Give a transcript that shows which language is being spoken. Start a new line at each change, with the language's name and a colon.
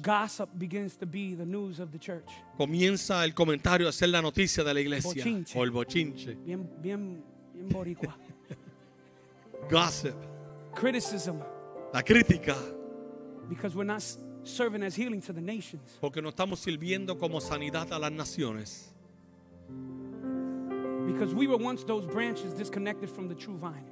English: Gossip begins to be the news of the church.
Spanish: Comienza el comentario a ser la noticia de la iglesia. Bochinche. O el bochinche. Bien boricua.
English: Gossip. Criticism.
Spanish: La crítica.
English: Because we're not serving as healing to the nations.
Spanish: Porque no estamos sirviendo como sanidad a las naciones.
English: Because we were once those branches disconnected from the true vine.